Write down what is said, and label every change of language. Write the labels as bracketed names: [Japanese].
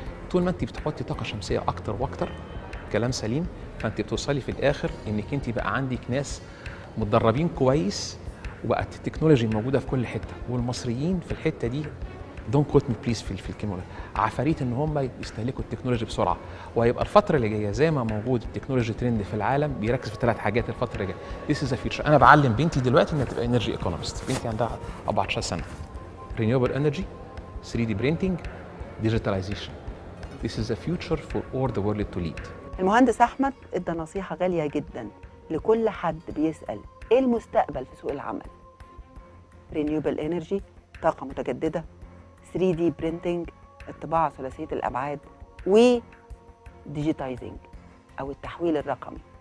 [Arabic] طول ما انت بتحطي طاقه شمسيه اكتر واكتر، كلام سليم، فانت بتوصلي في الاخر انك انت بقى عندك ناس متدربين كويس، وبقت التكنولوجي موجوده في كل حته، والمصريين في الحته دي [English] don't quote me please [Arabic] في الكيمياء، عفاريت ان هم يستهلكوا التكنولوجي بسرعه. وهيبقى الفتره اللي جايه زي ما موجود التكنولوجي ترند في العالم بيركز في ثلاث حاجات الفتره الجايه. [English] This is a future. [Arabic] انا بعلم بنتي دلوقتي انها تبقى انرجي ايكونومست، بنتي عندها 14 سنه. [English] Renewable energy, 3 D printing, digitalization. This is a future for all the world to lead. [Arabic] المهندس احمد ادى نصيحه غاليه جدا لكل حد بيسال ايه المستقبل في سوق العمل؟ رينيوبل انرجي، طاقه متجدده، 3D printing، الطباعة ثلاثية الأبعاد، و digitizing أو التحويل الرقمي.